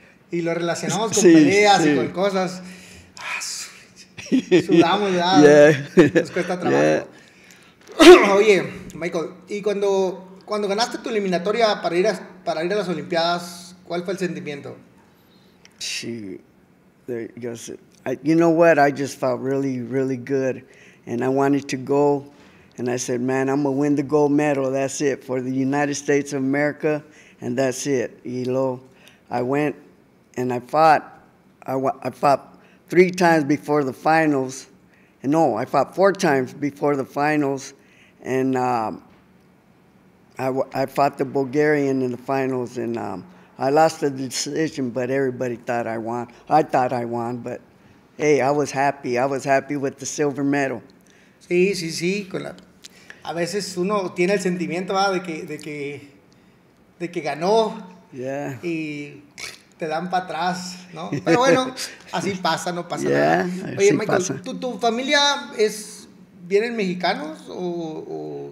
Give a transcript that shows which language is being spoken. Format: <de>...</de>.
<es>Y lo relacionamos con peleas y con cosas. Ah, sudamos, ¿verdad?</es> <en>Yeah.</en> <es>Nos cuesta trabajo. Oye, Michael, y cuando ganaste tu eliminatoria para ir a las Olimpiadas, ¿cuál fue el sentimiento?</es> <en>Sí, you know what? I just felt really, really good, and I wanted to go, and I said, man, I'm gonna win the gold medal. That's it for the United States of America, and that's it.</en> <es>Y luego,</es> <en>I went and I fought. I fought 3 times before the finals. No, I fought 4 times before the finals, and. I fought the Bulgarian in the finals, and I lost the decision, but everybody thought I won. I thought I won, but hey, I was happy. I was happy with the silver medal.</en> <es>Sí. A veces uno tiene el sentimiento, ¿verdad? De que ganó.</es> <en>Yeah.</en> <es>Y te dan para atrás, ¿no? Pero bueno, así pasa, no pasa nada. Oye, sí, Michael, ¿tu familia es vienen mexicanos o...?</es>